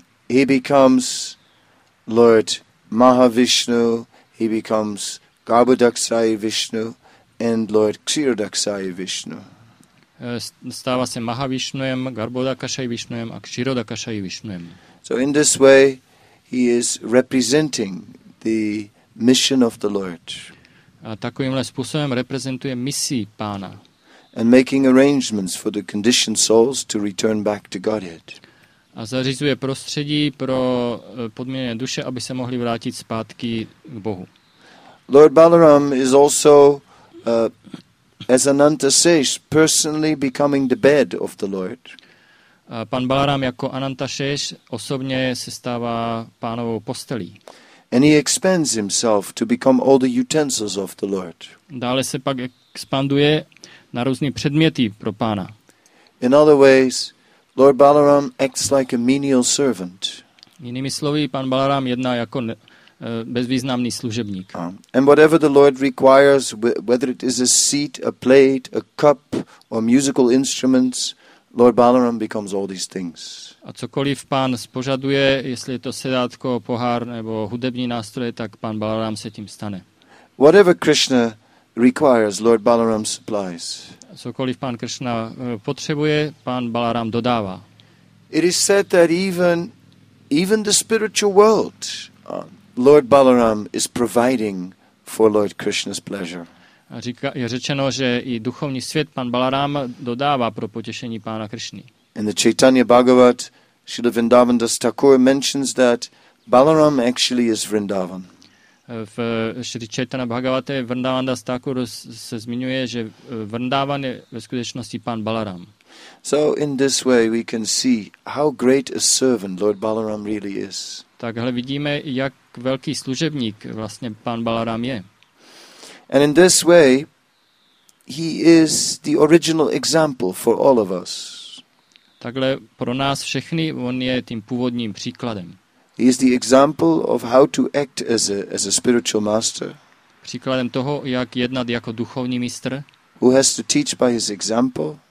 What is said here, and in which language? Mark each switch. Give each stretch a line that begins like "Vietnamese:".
English: He becomes Lord Mahavishnu, he becomes Garbhodaksai Vishnu and Lord Kshirodaksai Vishnu.
Czech: Stává se Mahavishnuem, Garbhodaksai Vishnuem a Kshirodaksai Vishnuem.
English: So in this way he is representing the mission of the Lord.
Czech: A takovýmhle způsobem reprezentuje misi pána.
English: And making arrangements for the conditioned souls to return back to Godhead.
Czech: A zařizuje prostředí pro podmíněné duše, aby se mohli vrátit zpátky k Bohu.
English: Lord Balaram is also as Ananta Shesh personally becoming the bed of the Lord.
Czech: Pan Balaram jako Ananta Shesh osobně se stává pánovou postelí.
English: And he expands himself to become all the utensils of the Lord.
Czech: Dále se pak expanduje na různé předměty pro pána.
English: In other ways, Lord Balaram acts like a menial servant.
Czech: Jinými slovy, pan Balaram jedná jako bezvýznamný služebník.
English: And whatever the Lord requires, whether it is a seat, a plate, a cup, or musical instruments, Lord Balaram becomes all these things.
Czech: A cokoliv pán spožaduje, jestli je to sedátko, pohár nebo hudební nástroje, tak pan Balaram se tím stane.
English: Whatever Krishna requires, Lord Balaram supplies.
Czech: Cokoliv pán Krishna potřebuje, pán Balaram dodává.
English: It is said that even the spiritual world, Lord Balaram is providing for Lord Krishna's pleasure.
Czech: Je řečeno, že i duchovní svět pan Balaram dodává pro potěšení pána Krishny.
English: In the Chaitanya Bhagavat, Srila Vrindavan Das Thakur mentions that Balaram actually is Vrindavan.
Czech: V Shri Chaitanya Bhagavate Vrindavan Das Thakur se zmiňuje, že Vrindavan je ve skutečnosti pán Balaram.
English: So in this way we can see how great a servant Lord Balaram really is.
Czech: Takhle vidíme, jak velký služebník vlastně pán Balaram je.
English: And in this way he is the original example for all of us.
Czech: Takhle pro nás všechny on je tím původním příkladem.
English: He is the example of how to act as a spiritual master.
Czech: příkladem toho, jak jednat jako duchovní mistr,
English: who has to teach by his example,